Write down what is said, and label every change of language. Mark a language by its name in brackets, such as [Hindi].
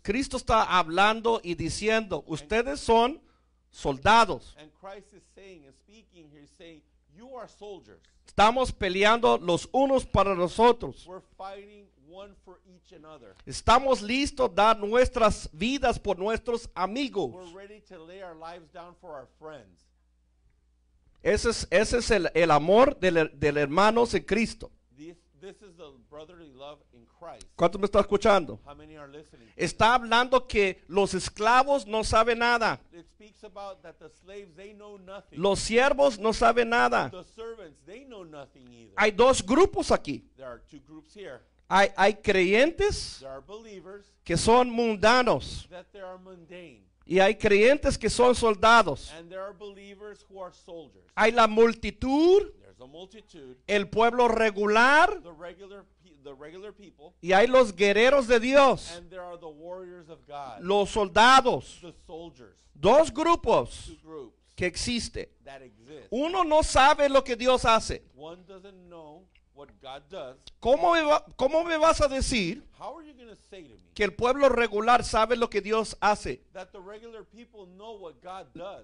[Spanish] Cristo está hablando y diciendo, ustedes son soldados. [English] And Christ is saying and speaking here, saying, you are soldiers. [Spanish] Estamos peleando los unos para los otros. [English] We're fighting one for each another. [Spanish] Estamos listos a dar nuestras vidas por nuestros amigos. [English] We're ready to lay our lives down for our friends. [Spanish] Ese es el amor del hermanos en Cristo. [English] This is the brotherly love in Christ. [Spanish] ¿Cuánto me está escuchando? [English] How many are listening? [Spanish] Está hablando que los esclavos no saben nada. [English] It speaks about that the slaves, they know nothing. [Spanish] Los siervos no saben nada. [English] The servants, they know nothing either. [Spanish] Hay dos grupos aquí. [English] There are two groups here. [Spanish] Hay creyentes, [English] there are believers, [Spanish] que son mundanos, [English] that they are mundane. [Spanish] Y hay creyentes que son soldados. [English] And there are believers who are soldiers. [Spanish] Hay la multitud, [English] there's a multitude, [Spanish] el pueblo regular, [English] the regular. regular people. [Spanish] Y hay los guerreros de Dios. [English] And there are the warriors of God. [Spanish] Los soldados. [English] The soldiers. [Spanish] Dos grupos. [English] Two groups. [Spanish] Que existe. [English] That exists. [Spanish] Uno no sabe lo que Dios hace. [English] One doesn't know what God does. [Spanish] ¿Cómo me vas a decir? [English] How are you going to say to me? [Spanish] Que el pueblo regular sabe lo que Dios hace. [English] That the regular people know what God does.